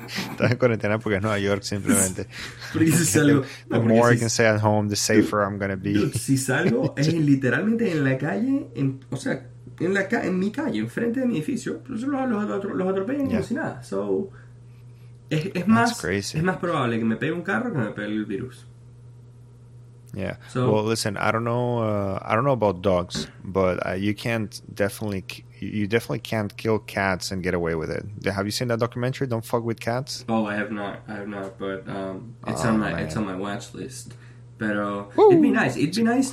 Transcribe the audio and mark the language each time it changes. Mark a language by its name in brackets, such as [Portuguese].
[Spanish] Estás en cuarentena porque es Nueva York simplemente. Porque si salgo, [English] the more I can stay at home, the safer I'm gonna be. [Spanish] Si salgo es literalmente en la calle, en mi calle, enfrente de mi edificio, los atropellan como si nada. So es más probable que me pegue un carro que me pegue el virus. [English] Yeah. So, well, listen, I don't know about dogs, but you definitely can't kill cats and get away with it. Have you seen that documentary, Don't Fuck With Cats? Oh, I have not, but it's on my watch list. Pero woo! It'd be nice.